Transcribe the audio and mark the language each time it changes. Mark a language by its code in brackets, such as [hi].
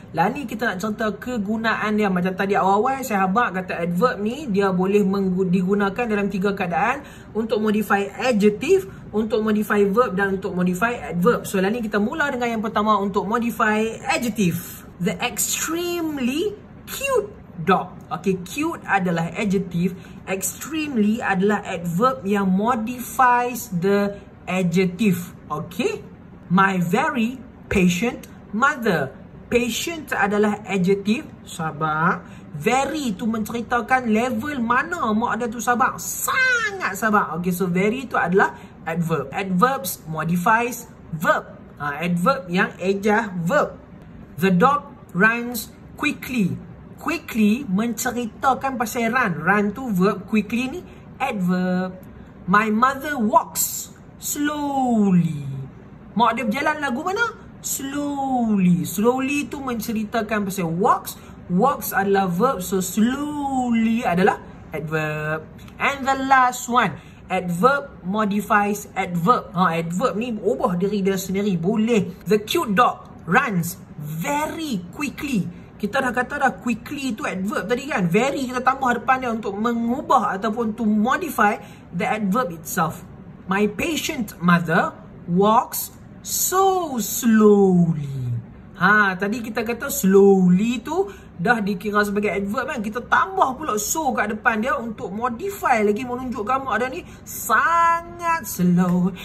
[ms] Lah ni kita nak cerita kegunaan dia. Macam tadi awal-awal saya habaq kata adverb ni dia boleh digunakan dalam tiga keadaan, untuk modify adjective, untuk modify verb dan untuk modify adverb. So lah ni kita mula dengan yang pertama untuk modify adjective. [en] The extremely cute dog. Okay, cute adalah adjective. Extremely adalah adverb yang modifies the adjective. Okay, my very patient mother. Patient adalah adjective. [ms] Sabar. Very tu menceritakan level mana mak dia tu sabar. Sangat sabar. Okay, so very tu adalah adverb. [en] Adverbs modifies verb. Adverb yang ejah verb. The dog runs quickly. Quickly [ms] menceritakan pasal [en] run. Run tu verb, quickly ni adverb. My mother walks slowly. [ms] Mak dia berjalan lagu mana? Slowly. Slowly tu menceritakan pasal walks. [en] Walks adalah verb, so slowly adalah adverb. And the last one, adverb modifies adverb. [ms] Adverb ni ubah diri dia sendiri. Boleh. [en] The cute dog runs very quickly. [ms] Kita dah kata dah quickly tu adverb tadi kan. Very kita tambah depan dia untuk mengubah ataupun [en] to modify the adverb itself. My patient mother walks so slowly. [ms] Ha, tadi kita kata slowly tu dah dikira sebagai adverb kan. Kita tambah pula so kat depan dia untuk modify lagi, menunjukkan mak dia ni sangat slow.